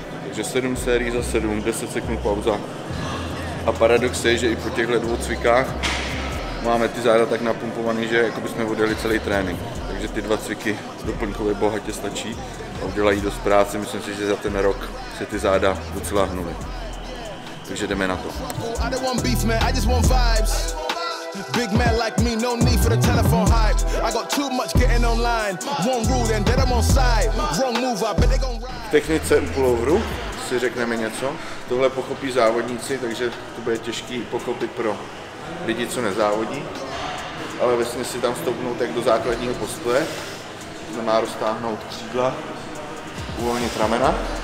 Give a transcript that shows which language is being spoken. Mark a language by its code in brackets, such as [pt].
[cs] Takže 7 sérií za 7, 10 sekund pauza. A paradox je, že i po těchto 2 cvikách máme ty záda tak napumpovaný, že jako bychom odjeli celý trénink. Takže ty 2 cviky doplňkově bohatě stačí a udělají dost práce. Myslím si, že za ten rok se ty záda docela hnuly. Takže jdeme na to. [en] Big man like me, no need for the telephone hype. I got too much getting online. One rule and then I'm on side. Wrong move, I bet they gon' ride. [cs] K technice u pullovru si řekneme něco. Tohle pochopí závodníci, takže to bude těžký pochopit pro lidi, co nezávodí. Ale vlastně si tam stoupnout jak do základního postoje. Znamená roztáhnout křídla, uvolnit ramena.